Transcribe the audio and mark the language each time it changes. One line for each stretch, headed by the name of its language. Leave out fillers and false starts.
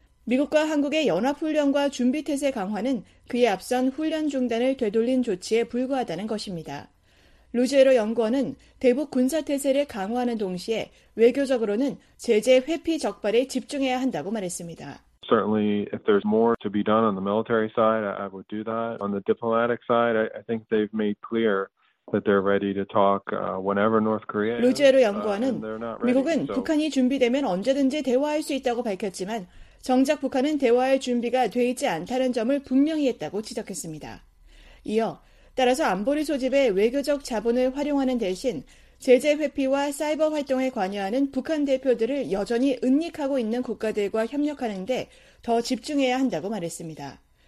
Korean: 미국과 한국의 연합훈련과 준비태세 강화는 그에 앞선 훈련 중단을 되돌린 조치에 불과하다는 것입니다. 루지에로 연구원은 대북 군사태세를 강화하는 동시에 외교적으로는 제재 회피 적발에 집중해야 한다고 말했습니다.
English: Certainly, if there's more to be done on the military side, I would do that. On the diplomatic side, I think they've made clear that they're ready to talk whenever North Korea.
Korean: 루제로 연구원은 미국은 북한이 준비되면 언제든지 대화할 수 있다고 밝혔지만 정작 북한은 대화할 준비가 돼 있지 않다는 점을 분명히 했다고 지적했습니다. 이어 따라서 안보리 소집에 외교적 자본을 활용하는 대신 제재 회피와 사이버 활동에 관여하는 북한 대표들을 여전히 은닉하고 있는 국가들과 협력하는 데 더 집중해야 한다고 말했습니다.